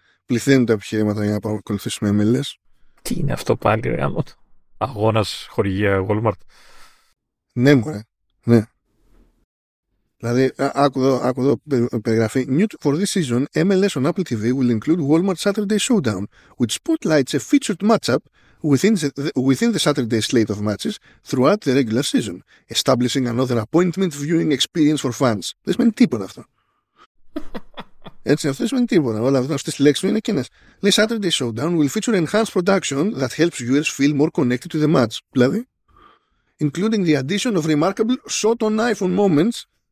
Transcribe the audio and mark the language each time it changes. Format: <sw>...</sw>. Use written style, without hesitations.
<el>Πληθαίνουν τα επιχειρήματα για να παρακολουθήσουμε MLS. Τι είναι αυτό πάλι, ρε γάμο το. Αγώνας χορηγία Walmart. Ναι, μωρέ. Ναι. Δηλαδή, άκου εδώ περιγραφή.</el> <en>New for this season, MLS on Apple TV will include Walmart Saturday Showdown, which spotlights a featured matchup within the Saturday slate of matches throughout the regular season, establishing another appointment viewing experience for fans.</en> <el>Δεν σημαίνει τίποτα αυτό. Έτσι, αυτό δεν σημαίνει τίποτα. Όλα αυτές τις λέξεις μου είναι εκείνες. Λέει</el> <en>Saturday Showdown will feature enhanced production that helps viewers feel more connected to the match.</en> <el>Δηλαδή,</el> <en>including the addition of remarkable shot on iPhone moments.</en>